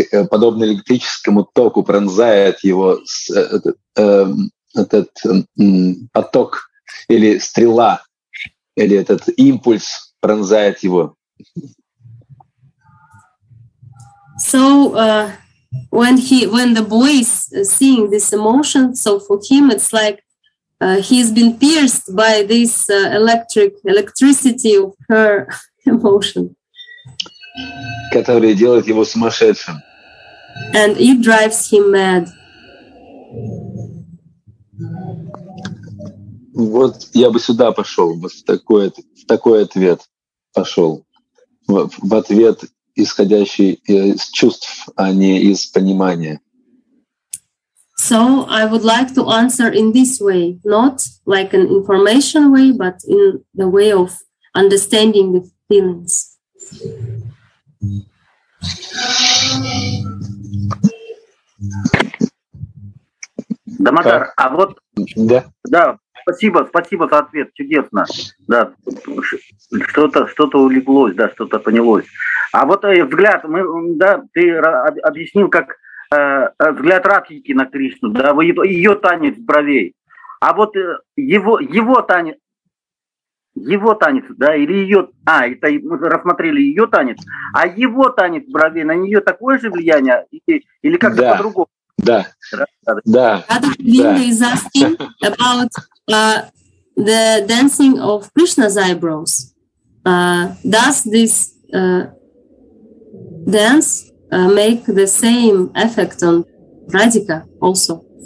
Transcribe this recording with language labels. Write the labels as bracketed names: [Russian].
[Russian] подобно электрическому току, пронзает его этот поток или стрела, или этот импульс пронзает его. [English] So when the boy is seeing this emotion, so for him it's like he's been pierced by this electricity of her emotion, [Russian] которая делает его сумасшедшим. [English] And it drives him mad. [Russian] Вот я бы сюда пошел, вот в такой ответ пошел. В ответ, исходящий из чувств, а не из понимания. [English] So I would like to answer in this way, not like an information way, but in the way of understanding the feelings. [Russian] Дамодар, а вот... Да? Да, спасибо, спасибо за ответ, чудесно. Да, что-то улеглось, да, что-то понялось. А вот взгляд, мы, да, ты объяснил, как взгляд Радхики на Кришну, да, ее танец бровей. А вот его танец, да, или ее, это мы рассмотрели ее танец, а его танец бровей, на нее такое же влияние или как-то да. по-другому? Да. Да. [English] Radhika is asking about the dancing of Krishna's eyebrows. Does this dance make the same effect on Radhika also?